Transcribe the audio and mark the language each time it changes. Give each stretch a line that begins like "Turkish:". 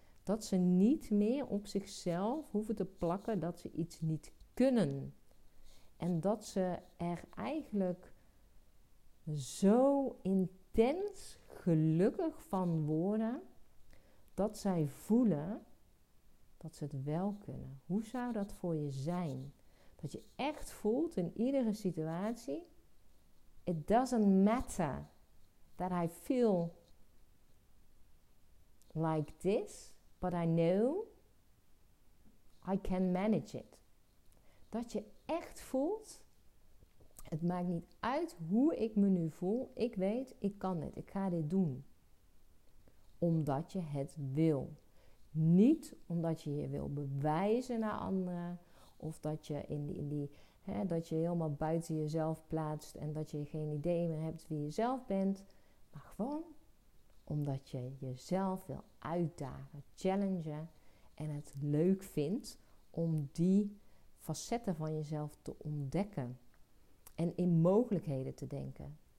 Dutch: Dat ze niet meer op zichzelf hoeven te plakken dat ze iets niet kunnen. En dat ze er eigenlijk zo intens gelukkig van worden, dat zij voelen dat ze het wel kunnen. Hoe zou dat voor je zijn? Dat je echt voelt in iedere situatie,
English: it doesn't matter that I feel like this, but I know I can manage it.
Dutch: Dat je echt voelt, het maakt niet uit hoe ik me nu voel, ik weet, ik kan dit, ik ga dit doen. Omdat je het wil. Niet omdat je je wil bewijzen naar anderen, of dat je dat je helemaal buiten jezelf plaatst en dat je geen idee meer hebt wie jezelf bent, maar gewoon omdat je jezelf wil uitdagen, challengen en het leuk vindt om die facetten van jezelf te ontdekken en in mogelijkheden te denken.